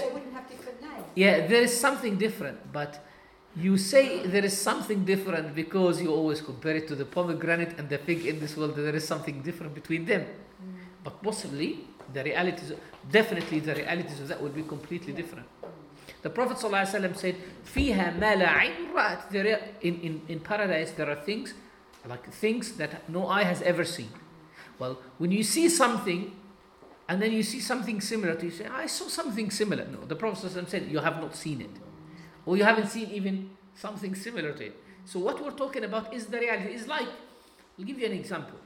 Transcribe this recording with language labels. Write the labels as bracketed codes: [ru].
[en] They wouldn't have different names. Yeah, there is something different, but. You say there is something different because you always compare it to the pomegranate and the fig in this world. There is something different between them. Mm. But possibly, the realities, definitely the realities of that would be completely different. The Prophet ﷺ said, [ar] فِيهَا مَا لَا عِنْ رَأَتْ. [en] In paradise, there are things, like things that no eye has ever seen. Well, when you see something, and then you see something similar, you say, I saw something similar. No, the Prophet ﷺ said, you have not seen it. Or you haven't seen even something similar to it. So what we're talking about is the reality. It's like, I'll give you an example.